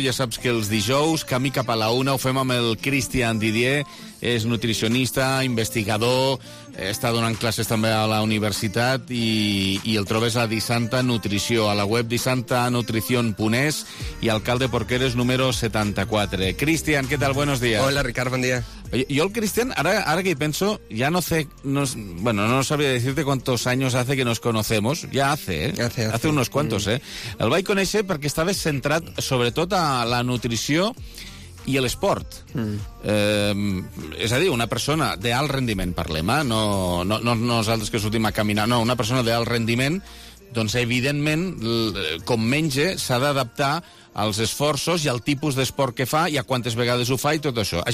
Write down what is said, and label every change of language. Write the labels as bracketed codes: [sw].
[ca] Ja saps que els dijous, camí cap a la una, ho fem amb el Christian Didier. És nutricionista, investigador, està donant classes també a la universitat i el trobes a Disanta Nutrició, a la web disantanutricion.es i alcalde Porqueres número 74. Christian, què tal? [es] Buenos días. [ca] Hola, Ricard, bon dia. [es] Yo el Cristian, ahora que pienso, ya no sé, no sabría decirte cuántos años hace que nos conocemos, ya hace, ¿eh? Hace unos cuantos, [ca] El vaig conèixer perquè estava centrat sobretot a la nutrició i a l'esport. Mm. És a dir, una persona d'alt rendiment, parlem, eh? No nosaltres que sortim a caminar, no, una persona d'alt rendiment, doncs evidentment, com menja, s'ha d'adaptar als esforços i al tipus d'esport que fa i a quantes vegades ho fa i tot això.